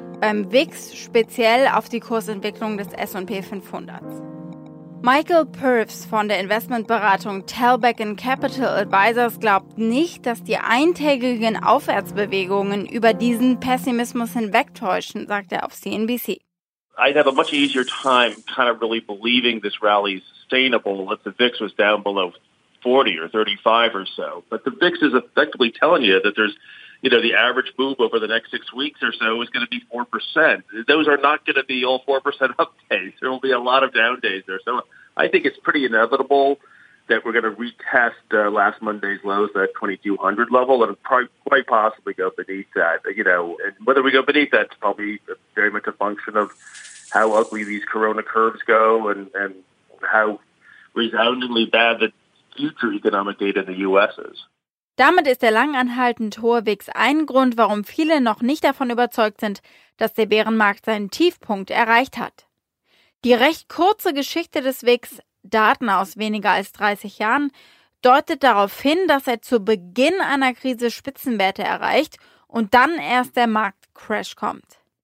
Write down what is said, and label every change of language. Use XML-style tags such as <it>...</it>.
<de>Beim VIX speziell auf die Kursentwicklung des S&P 500. Michael Purves von der Investmentberatung Talbeck & Capital Advisors glaubt nicht, dass die eintägigen Aufwärtsbewegungen über diesen Pessimismus hinwegtäuschen, sagt er auf CNBC.</de> <en>I'd have a much easier time kind of really believing this rally is sustainable if the VIX was down below 40 or 35 or so. But the VIX is effectively telling you that there's, you know, the average move over the next 6 weeks or so is going to be 4%. Those are not going to be all 4% up days. There will be a lot of down days there. So I think it's pretty inevitable that we're going to retest last Monday's lows, that 2200 level, and quite possibly go beneath that. You know, and whether we go beneath that's probably very much a function of how ugly these corona curves go and how resoundingly bad the future economic data in the U.S. is.</en> <de>Damit ist der langanhaltend hohe VIX ein Grund, warum viele noch nicht davon überzeugt sind, dass der Bärenmarkt seinen Tiefpunkt erreicht hat. Die recht kurze Geschichte des VIX, Daten aus weniger als 30 Jahren, deutet darauf hin, dass er zu Beginn einer Krise Spitzenwerte erreicht und dann erst der Marktcrash kommt.</de>